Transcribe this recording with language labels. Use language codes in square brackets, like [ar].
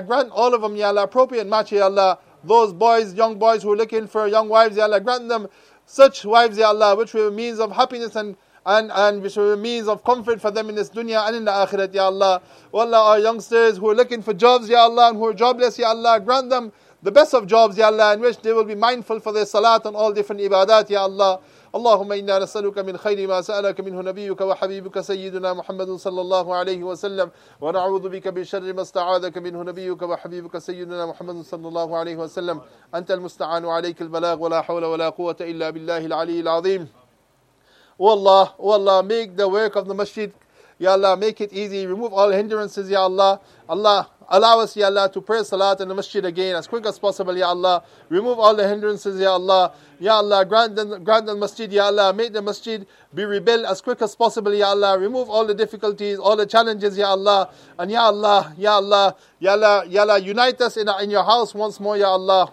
[en] Grant all of them, Ya Allah, appropriate match, Ya Allah. Those boys, young boys who are looking for young wives, Ya Allah, grant them such wives, Ya Allah, which will be a means of happiness and which will be a means of comfort for them in this dunya and in the akhirat, Ya Allah. Oh Allah, our youngsters who are looking for jobs, Ya Allah, and who are jobless, Ya Allah, grant them the best of jobs, Ya Allah, in which they will be mindful for their salat and all different ibadat, Ya Allah. [ar] اللهم إنا نسألك من خير ما سألك منه نبيك وحبيبك سيدنا محمد صلى الله عليه وسلم ونعوذ بك بشر ما استعاذك منه نبيك وحبيبك سيدنا محمد صلى الله عليه وسلم أنت المستعان عليك البلاغ ولا حول ولا قوة إلا بالله العلي العظيم والله والله [en] make the work of the masjid, Ya Allah, make it easy, remove all hindrances, Ya Allah. Allah, allow us, Ya Allah, to pray salat in the masjid again as quick as possible, Ya Allah. Remove all the hindrances, Ya Allah. Ya Allah, grant them masjid, Ya Allah. Make the masjid be rebuilt as quick as possible, Ya Allah. Remove all the difficulties, all the challenges, Ya Allah. And Ya Allah, Ya Allah, Ya Allah, Ya Allah, unite us in your house once more, Ya Allah.